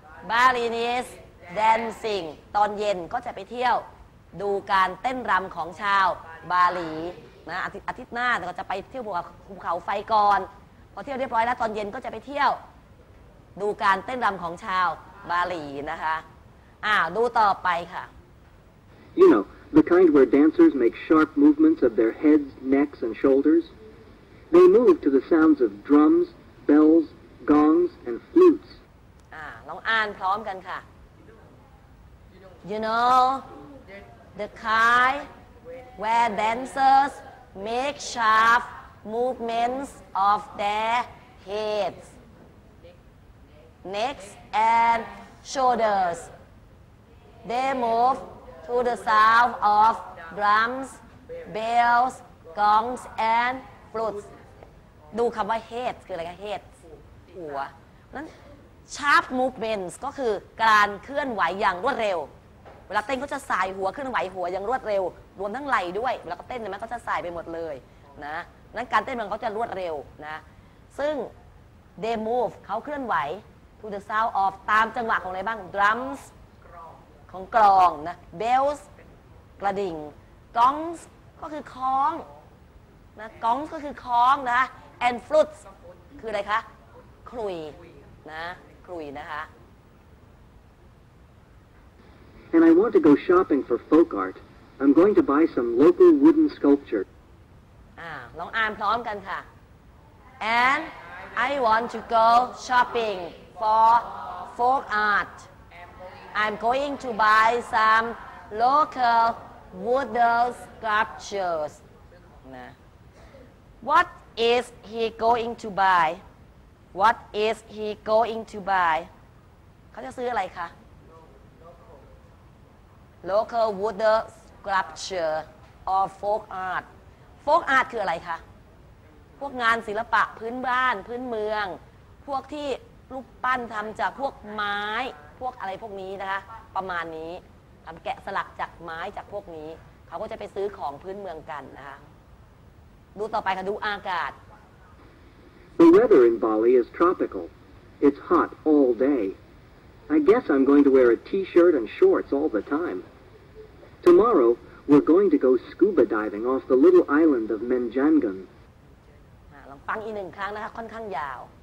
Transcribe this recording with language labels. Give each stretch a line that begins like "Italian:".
English: Balinese dancing.
Thai: ตอนเย็นก็จะไปเที่ยวดูการเต้นรำของชาวบาหลีนะอาทิตย์หน้าก็จะไปเที่ยวภูเขาไฟก่อนพอเที่ยวเรียบร้อยแล้วตอนเย็นก็จะไปเที่ยวดูการเต้นรำของชาวบาหลีนะคะดูต่อไปค่ะ
English: You know, the kind where dancers make sharp movements of their heads, necks, and shoulders. They move to the sounds of drums, bells, gongs, and flutes.
Thai: ลองอ่านพร้อมกันค่ะ
English: You know, the kind where dancers make sharp movements of their heads, necks, and shoulders. They move to the sound of drums, bells, gongs, and flutes.
Thai: ดูคำว่า head คืออะไรคะ head หัวนั้น
English: sharp movements
Thai: ก็คือการเคลื่อนไหวอย่างรวดเร็วเวลาเต้นก็จะสายหัวเคลื่อนไหวหัวอย่างรวดเร็วรวมทั้งไหล่ด้วยเวลาก็เต้นมันก็จะสายไปหมดเลยนะนั้นการเต้นมันก็จะรวดเร็วนะซึ่ง
English: they move
Thai: เขาเคลื่อนไหว
English: to the sound of
Thai: ตามจังหวะของอะไรบ้าง
English: drums
Thai: ของกลองนะ
English: bells
Thai: กระดิ่ง
English: gongs
Thai: ก็คือคล้องนะ gongs ก็คือคล้องนะ
English: and flutes
Thai: คืออะไรคะคลุยนะคลุยนะคะ
English: And I want to go shopping for folk art. I'm going to buy some local wooden sculpture.
Thai: ลองอ่านพร้อมกันค่ะ
English: And I want to go shopping for folk art. I'm going to buy some local wooden sculptures. นะ What is he going to buy? What is he going to buy?
Thai: เขาจะซื้ออะไรคะ
English: Local wooden sculpture or folk art.
Thai: Folk art คืออะไรคะพวกงานศิลปะพื้นบ้านพื้นเมืองพวกที่รูปปั้นทำจากพวกไม้พวกอะไรพวกนี้นะคะประมาณนี้ทำแกะสลักจากไม้จากพวกนี้เขาก็จะไปซื้อของพื้นเมืองกันนะคะดูต่อไปค่ะดูอากาศ The weather in Bali is tropical. It's hot all day. I guess I'm going to wear a t-shirt and shorts all the time. Tomorrow, we're going to go scuba diving off the little island of Menjangan. ลองฟังอีกหนึ่งครั้งนะคะค่อนข้างยาว